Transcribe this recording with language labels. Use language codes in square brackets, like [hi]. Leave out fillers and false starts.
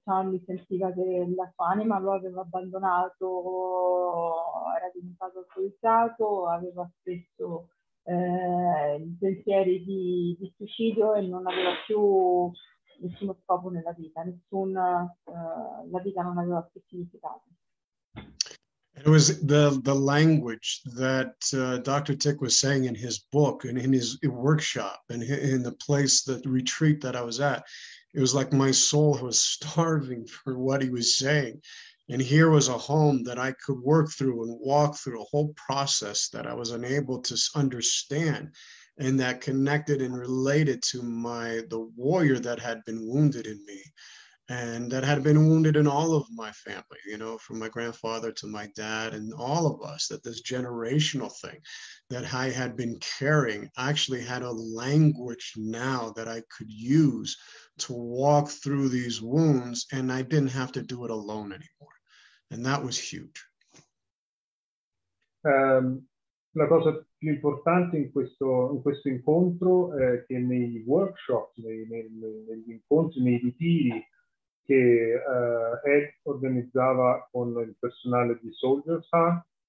[it] Tommy sentiva che la sua anima lo aveva abbandonato, era diventato alcolizzato, aveva spesso pensieri di suicidio e non aveva più nessuno scopo nella vita, la vita non aveva più significato. [en] It was the language that Dr. Tick was saying in his book and in his workshop and in the place, the retreat that I was at. It was like my soul was starving for what he was saying. And here was a home that I could work through and walk through a whole process that I was unable to understand and that connected and related to the warrior that had been wounded in me and that had been wounded in all of my family, you know, from my grandfather to my dad and all of us, that this generational thing that I had been carrying actually had a language now that I could use to walk through these wounds, and I didn't have to do it alone anymore. And that was huge. [it] La cosa più importante in questo incontro è che nei workshop, negli incontri, nei ritiri che Ed organizzava con il personale di Soldier's Heart,